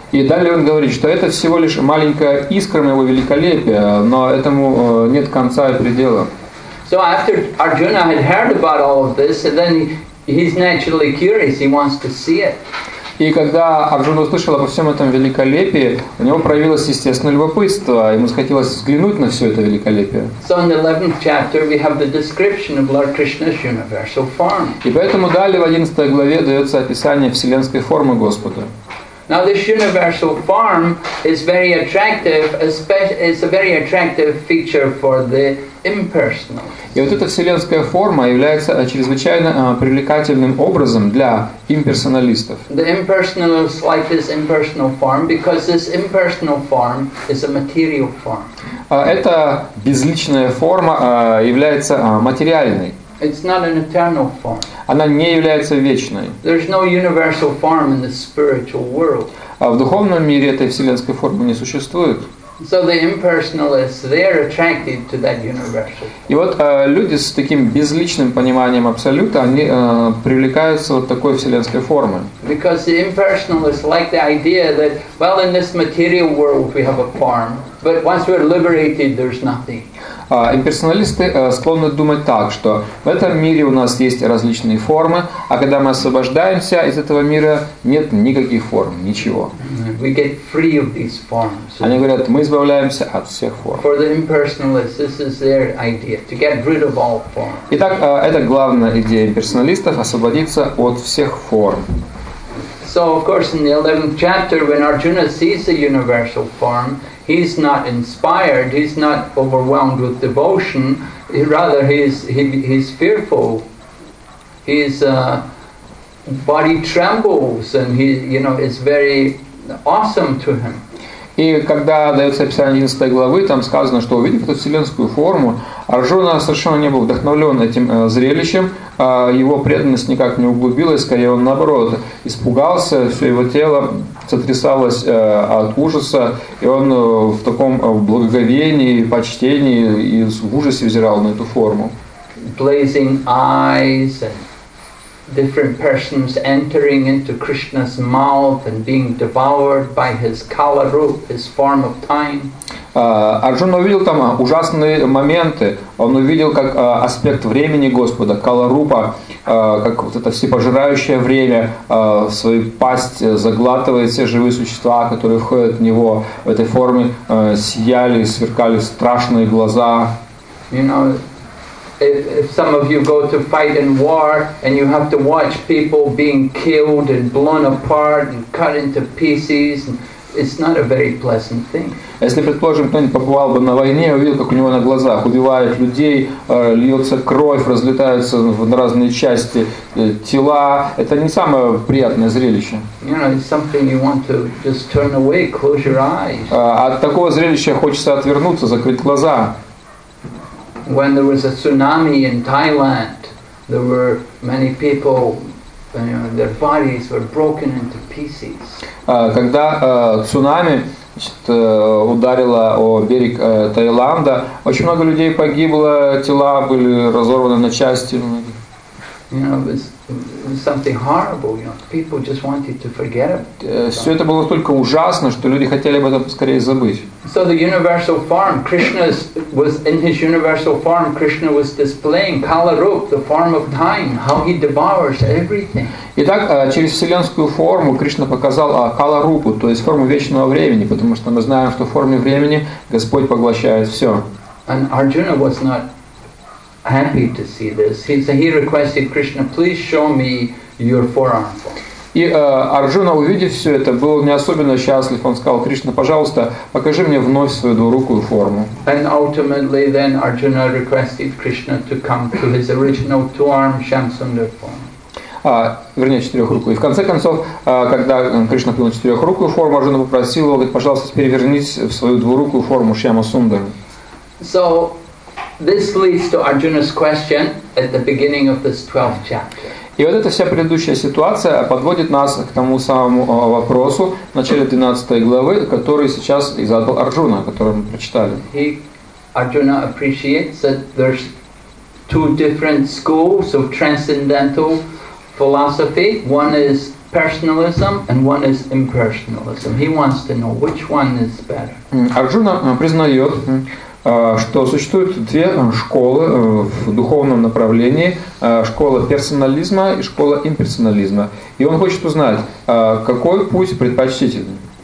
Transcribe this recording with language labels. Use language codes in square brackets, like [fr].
[ru] И далее он говорит, что это всего лишь маленькая искра моего великолепия, но этому нет конца и предела. [en] So after Arjuna had heard about all of this, and then he's naturally curious, he wants to see it. [ru] И когда Арджуна услышал обо всем этом великолепии, у него проявилось естественное любопытство, ему захотелось взглянуть на все это великолепие. [en] So in the 11th chapter we have the description of Lord Krishna's universal form. [ru] И поэтому далее в 11 главе дается описание вселенской формы Господа. [en] Now this universal form is very attractive, especially it's a very attractive feature for the impersonal. [ru] И вот эта вселенская форма является чрезвычайно привлекательным образом для имперсоналистов. [en] The impersonals like this impersonal form because this impersonal form is a material form. [ru] Эта безличная форма является материальной. [en] It's not an eternal form. [ru] Она не является вечной. [en] There's no universal form in the spiritual world. [ru] А в духовном мире этой вселенской формы не существует. [en] So the impersonalists, they're attracted to that universal. [ru] И вот люди с таким безличным пониманием абсолюта, они привлекаются вот такой вселенской формы. [en] Because the impersonalists like the idea that, well, in this material world we have a form, but once we're liberated, there's nothing. [ru] Имперсоналисты склонны думать так, что в этом мире у нас есть различные формы, а когда мы освобождаемся из этого мира, нет никаких форм, ничего. [en] We get free of these forms. [ru] Они говорят, мы избавляемся от всех форм. [en] For the impersonalists, this is their idea, to get rid of all forms. [ru] Итак, это главная идея имперсоналистов – освободиться от всех форм. [en] So, of course, in the 11th chapter, when Arjuna sees the universal form, he's not inspired, he's not overwhelmed with devotion, rather he's fearful. His body trembles and he, you know, it's very awesome to him. [ru] И когда дается описание 11 главы, там сказано, что увидев эту вселенскую форму, Арджуна совершенно не был вдохновлен этим зрелищем, его преданность никак не углубилась, скорее он наоборот испугался, все его тело сотрясалось от ужаса, и он в таком благоговении, почтении и в ужасе взирал на эту форму. [en] Blazing eyes and different persons entering into Krishna's mouth and being devoured by his kala roop, his form of time. [ru] Арджуна увидел там ужасные моменты. Он увидел как аспект времени Господа, кала рупа, как вот это всепожирающее время, свою пасть заглатывает все живые существа, которые входят в него в этой форме, сияли, сверкали страшные глаза. [en] You know, if some of you go to fight in war and you have to watch people being killed and blown apart and cut into pieces, it's not a very pleasant thing. [ru] Если, предположим, кто-нибудь побывал бы на войне и увидел, как у него на глазах убивают людей, льется кровь, разлетаются в разные части тела, это не самое приятное зрелище. [en] You know, it's something you want to just turn away, close your eyes. [ru] От такого зрелища хочется отвернуться, закрыть глаза. [en] When there was a tsunami in Thailand, there were many people, you know, their bodies were broken into pieces. [ru] Когда цунами ударило о берег Таиланда, очень много людей погибло, тела были разорваны на части. [en] You know, it was something horrible. You know, people just wanted to forget it. [ru] Все это было настолько ужасно, что люди хотели об этом скорее забыть. [en] So the universal form, Krishna was in his universal form. Krishna was displaying kala roop, the form of time, how he devours everything. [ru] Итак, через вселенскую форму Кришна показал кала рупу, то есть форму вечного времени, потому что мы знаем, что в форме времени Господь поглощает все. [en] And Arjuna was not happy to see this. He requested Krishna, please show me your forearm. [ru] И Арджуна, увидев все это, был не особенно счастлив. Он сказал: «Кришна, пожалуйста, покажи мне вновь свою двурукую форму». [en] And ultimately, then Arjuna requested Krishna to come to his original two-arm Shamsundar form. [ru] Четырехрукую. И в конце концов, когда Кришна принял четырехрукую форму, Арджуна попросил его: говорит, «Пожалуйста, перевернись в свою двурукую форму Шьямасундару». [en] So this leads to Arjuna's question at the beginning of this 12th chapter. [ru] И вот эта вся предыдущая ситуация подводит нас к тому самому вопросу в начале 12 главы, который сейчас и задал Арджуна, который мы прочитали. [en] Arjuna appreciates that there's two different schools of transcendental philosophy. One is personalism and one is impersonalism. He wants to know which one is better. [ru] Арджуна признает, что существуют две школы в духовном направлении: школа персонализма и школа имперсонализма. И он хочет узнать, какой путь предпочтительный.